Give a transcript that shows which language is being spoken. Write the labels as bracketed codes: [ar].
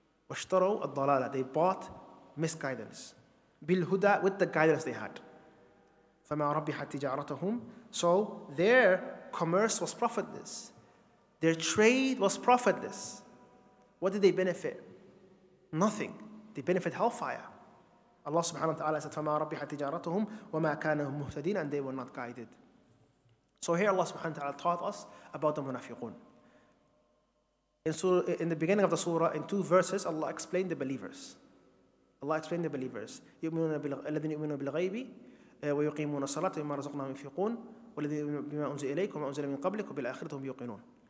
[ar] وَاشْتَرَوْا الضَّلَالَةَ. [en] They bought misguidance. [ar] بِالْهُدَىٰ, [en] with the guidance they had. [ar] فَمَا رَبِّحَتْ تِجَارَتَهُمْ. [en] So their commerce was profitless. Their trade was profitless. What did they benefit? Nothing. They benefit hellfire. Allah subhanahu wa ta'ala said, [ar] فَمَا رَبِّحَتْ تِجَارَتَهُمْ وَمَا كَانَهُمْ مُهْتَدِينَ. [en] And they were not guided. So here Allah subhanahu wa ta'ala taught us about the munafiqun. In the beginning of the surah, in two verses, Allah explained the believers. [ar] يُؤْمِنُونَ الَّذِينَ يُؤْمِنُونَ بِالْغَيْبِ وَيُقِيمُونَ الصَّلَاةَ وَمِمَّا رَزَقْنَاهُمْ يُنْفِقُونَ وَالَّذِينَ بِمَا أُنْزِلَ إِلَيْكَ وَمَا أُنْزِلَ مِنْ قَبْلِكَ وَبِالْآخِرَةِ هُمْ يُوقِنُونَ.